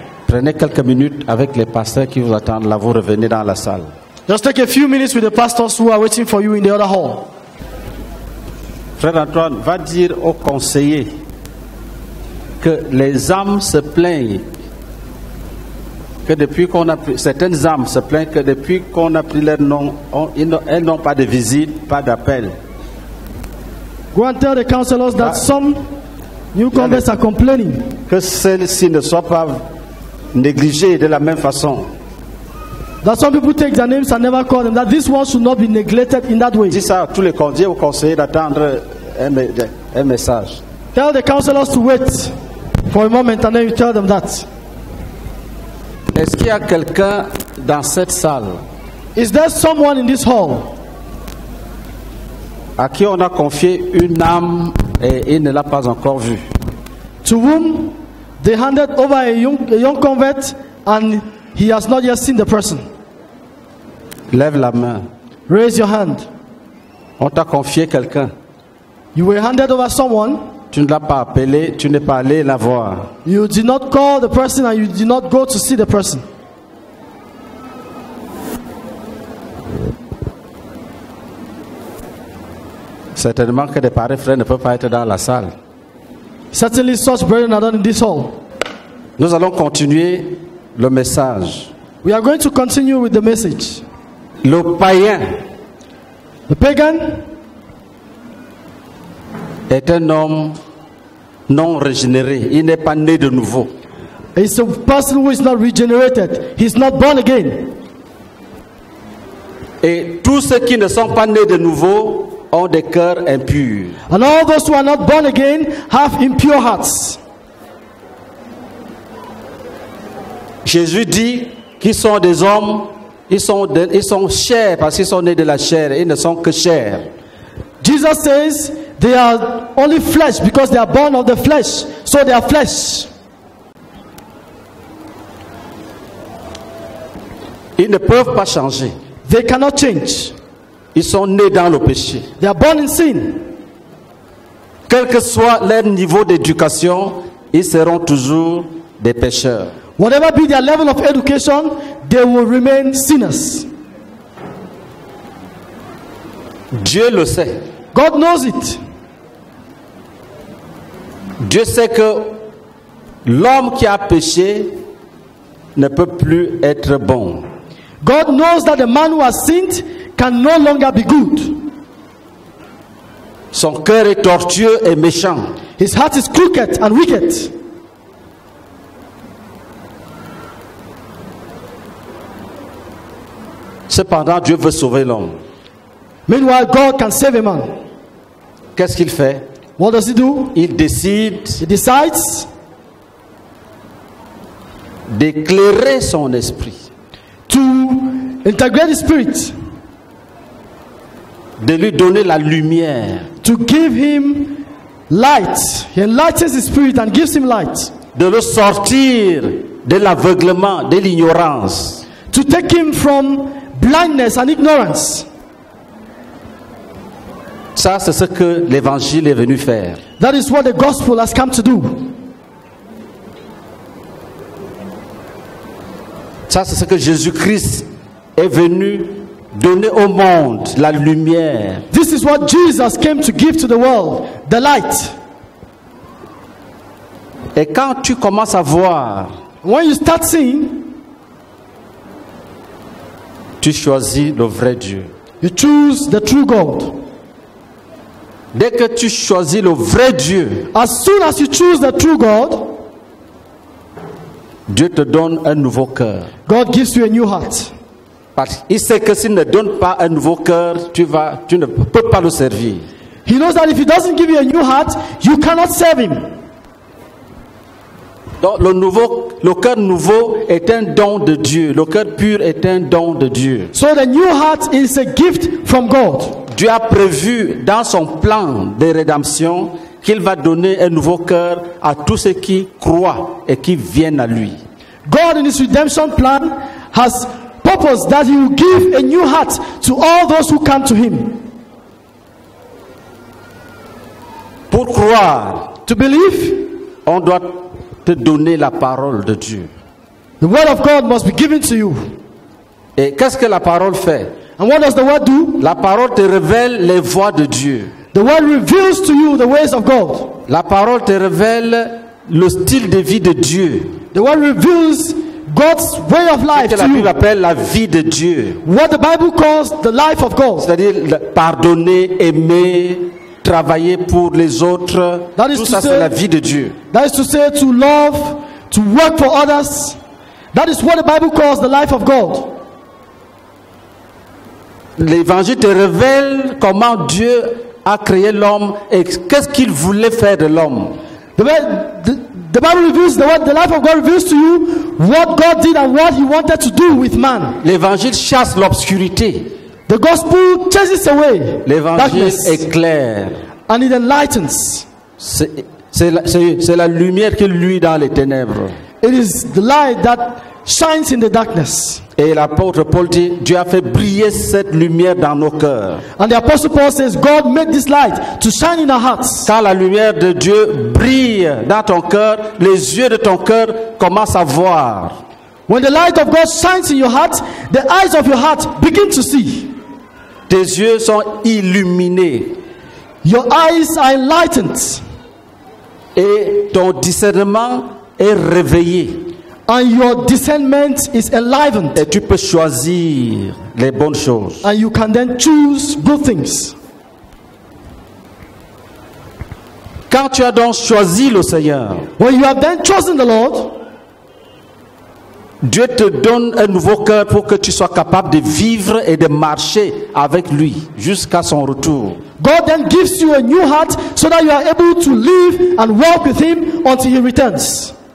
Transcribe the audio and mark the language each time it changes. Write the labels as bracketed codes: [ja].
[fr] Prenez quelques minutes avec les pasteurs qui vous attendent. Là, vous revenez dans la salle. [en] Just take a few minutes with the pastors who are waiting for you in the other hall. [fr] Frère Antoine, va dire au conseiller que les âmes se plaignent que depuis qu'on a pris, certaines âmes se plaignent que depuis qu'on a pris leur nom, elles n'ont pas de visite, pas d'appel. [en] Go and tell the counselors that some new converts are complaining. [fr] Que celles-ci ne soient pas négligées de la même façon. [en] That some people take their names and never call them. That this one should not be neglected in that way. [fr] Dis ça à tous les conseillers, aux conseillers d'attendre un message. [en] Tell the counselors to wait for a moment and then you tell them that. [fr] Est-ce qu'il y a quelqu'un dans cette salle? [en] Is there someone in this hall? [fr] À qui on a confié une âme et il ne l'a pas encore vue? [en] To whom they handed over a young convert and he has not yet seen the person. [fr] Lève la main. [en] Raise your hand. [fr] On t'a confié quelqu'un. [en] You were handed over someone. [fr] Tu ne l'as pas appelé, tu n'es pas allé la voir. [en] You did not call the person and you did not go to see the person. [fr] Certainement que des parents frères ne peuvent pas être dans la salle. [en] Certainly such brethren are not in this hall. [fr] Nous allons continuer le message. [en] We are going to continue with the message. [fr] Le païen. [en] The pagan. [fr] Est un homme non régénéré. Il n'est pas né de nouveau. [en] It's a person who is not regenerated. He's not born again. [fr] Et tous ceux qui ne sont pas nés de nouveau ont des cœurs impurs. [en] And all those who are not born again have impure hearts. [fr] Jésus dit qu'ils sont des hommes, ils sont chairs parce qu'ils sont nés de la chair, ils ne sont que chair. [en] Jesus says they are only flesh because they are born of the flesh, so they are flesh. [fr] Ils ne peuvent pas changer. [en] They cannot change. [fr] Ils sont nés dans le péché. [en] They are born in sin. [fr] Quel que soit leur niveau d'éducation, ils seront toujours des pécheurs. [en] Whatever be their level of education, they will remain sinners. [fr] Dieu le sait. [en] God knows it. [fr] Dieu sait que l'homme qui a péché ne peut plus être bon. [en] God knows that the man who has sinned can no longer be good. [fr] Son cœur est tortueux et méchant. [en] His heart is crooked and wicked. [fr] Cependant, Dieu veut sauver l'homme. [en] Meanwhile, God can save a man. [fr] Qu'est-ce qu'il fait? [en] What does he do? [fr] Il décide. [en] He decides. [fr] d'éclairer son esprit, [en] to integrate his spirit, [fr] de lui donner la lumière, [en] to give him light, he enlightens his spirit and gives him light, [fr] de le sortir de l'aveuglement, de l'ignorance, [en] to take him from blindness and ignorance. [fr] Ça, c'est ce que l'évangile est venu faire. [en] That is what the gospel has come to do. [fr] Ça, c'est ce que Jésus-Christ est venu donner au monde, la lumière. [en] This is what Jesus came to give to the world, the light. [fr] Et quand tu commences à voir, [en] when you start seeing, [fr] tu choisis le vrai Dieu. [en] You choose the true God. [fr] Dès que tu choisis le vrai Dieu, [en] as soon as you choose the true God, [fr] Dieu te donne un nouveau cœur. [en] God gives you a new heart. [fr] Parce qu'il sait que s'il ne donne pas un nouveau cœur, tu ne peux pas le servir. [en] He knows that if he doesn't give you a new heart, you cannot serve him. [fr] Donc le cœur nouveau est un don de Dieu. Le cœur pur est un don de Dieu. [en] So the new heart is a gift from God. [fr] Dieu a prévu dans son plan de rédemption qu'il va donner un nouveau cœur à tous ceux qui croient et qui viennent à lui. [en] God in his redemption plan has purpose that he will give a new heart to all those who come to him. [fr] Pour croire, [en] to believe, [fr] on doit te donner la parole de Dieu. [en] The word of God must be given to you. [fr] Et qu'est-ce que la parole fait? [en] And what does the word do? [fr] La parole te révèle les voies de Dieu. [en] The word reveals to you the ways of God. [fr] La parole te révèle le style de vie de Dieu. [en] The word reveals God's way of life. [fr] Ce que la Bible appelle la vie de Dieu. [en] What the Bible calls the life of God. [fr] C'est-à-dire pardonner, aimer, travailler pour les autres. [en] That is [fr] tout [en] to [fr] ça, [en] say, [fr] c'est la vie de Dieu. [en] That is to say to love, to work for others. That is what the Bible calls the life of God. [fr] L'évangile te révèle comment Dieu a créé l'homme et qu'est-ce qu'il voulait faire de l'homme. [en] The Bible reveals the life of God reveals to you what God did and what he wanted to do with man. [fr] L'évangile chasse l'obscurité. [en] The gospel chases away. [fr] L'évangile éclaire. [en] And it enlightens. [fr] C'est la lumière qui luit dans les ténèbres. [en] It is the light that shines in the darkness. [fr] Et l'apôtre Paul dit, Dieu a fait briller cette lumière dans nos cœurs. [en] And the apostle Paul says, God made this light to shine in our hearts. [fr] Quand la lumière de Dieu brille dans ton cœur, les yeux de ton cœur commencent à voir. [en] When the light of God shines in your heart, the eyes of your heart begin to see. [fr] Tes yeux sont illuminés. [en] Your eyes are enlightened. [fr] Et ton discernement est réveillé. [en] And your discernment is enlivened. [fr] Et tu peux choisir les bonnes choses. [en] And you can then choose good things. [fr] Quand tu as donc choisi le Seigneur, [en] when you have then chosen the Lord, [fr] Dieu te donne un nouveau cœur pour que tu sois capable de vivre et de marcher avec lui jusqu'à son retour. [en] God then gives you a new heart so that you are able to live and walk with him until he returns.